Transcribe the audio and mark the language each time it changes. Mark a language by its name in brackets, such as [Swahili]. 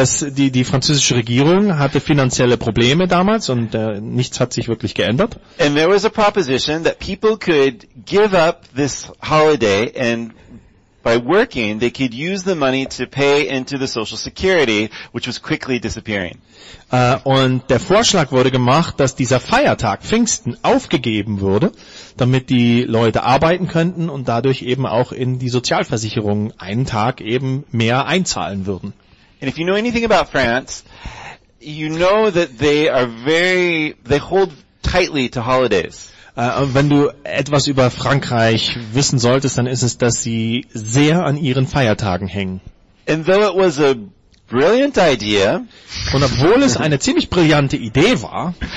[German] die französische Regierung hatte finanzielle Probleme damals und nichts hat sich wirklich geändert. [English] And there was a proposition that people could give up this holiday and by working, they could use the money to pay into the social security, which was quickly disappearing. [German] Und der Vorschlag wurde gemacht, dass dieser Feiertag Pfingsten aufgegeben würde, damit die Leute arbeiten könnten und dadurch eben auch in die Sozialversicherung einen Tag eben mehr einzahlen würden. [English] And if you know anything about France, you know that they hold tightly to holidays. [German] Wenn du etwas über Frankreich wissen solltest, dann ist es, dass sie sehr an ihren Feiertagen hängen. [English] And though it was a brilliant idea, [German] und obwohl es eine ziemlich brillante Idee war,